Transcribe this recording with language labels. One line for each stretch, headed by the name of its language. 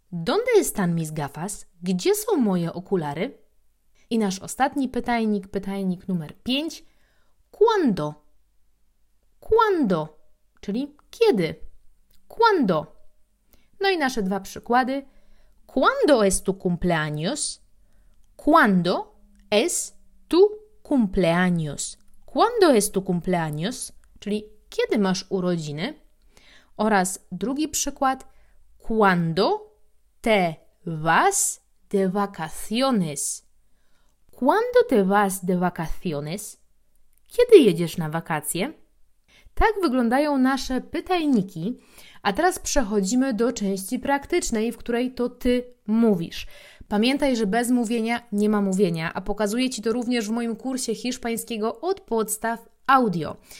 Spanish: ¿Dónde están mis gafas?
Polish: Gdzie są moje okulary? I nasz ostatni pytajnik, pytajnik numer 5.
Spanish: ¿Cuándo? ¿Cuándo?
Polish: Czyli kiedy?
Spanish: ¿Cuándo?
Polish: No i nasze dwa przykłady.
Spanish: ¿Cuándo es tu cumpleaños? ¿Cuándo es tu cumpleaños? ¿Cuándo es tu cumpleaños?
Polish: Czyli kiedy masz urodziny? Oraz drugi przykład.
Spanish: ¿Cuándo te vas de vacaciones? ¿Cuándo te vas de vacaciones?
Polish: Kiedy jedziesz na wakacje? Tak wyglądają nasze pytajniki, a teraz przechodzimy do części praktycznej, w której to Ty mówisz. Pamiętaj, że bez mówienia nie ma mówienia, a pokazuję Ci to również w moim kursie hiszpańskiego od podstaw audio.